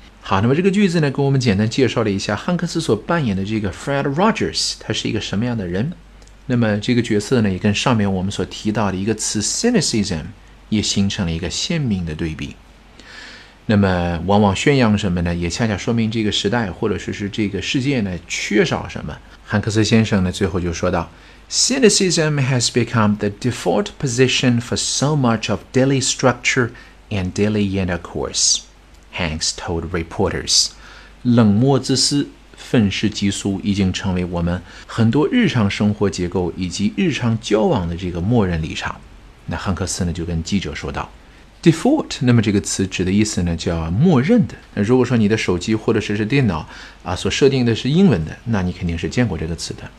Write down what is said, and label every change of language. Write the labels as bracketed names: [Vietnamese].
[Chinese] 好，那么这个句子呢跟我们简单介绍了一下汉克斯所扮演的这个 Fred Rogers 他是一个什么样的人。那么这个角色呢也跟上面我们所提到的一个词 cynicism 也形成了一个鲜明的对比。那么往往宣扬什么呢，也恰恰说明这个时代或者说是这个世界呢缺少什么。汉克斯先生呢最后就说到 [English] Cynicism has become the default position for so much of daily structure and daily intercourse, Hanks told reporters. [Chinese] 冷漠自私、愤世嫉俗已经成为我们很多日常生活结构以及日常交往的这个默认立场。那汉克斯呢就跟记者说道，default， 那么这个词指的意思呢叫默认的。那如果说你的手机或者是电脑啊所设定的是英文的，那你肯定是见过这个词的。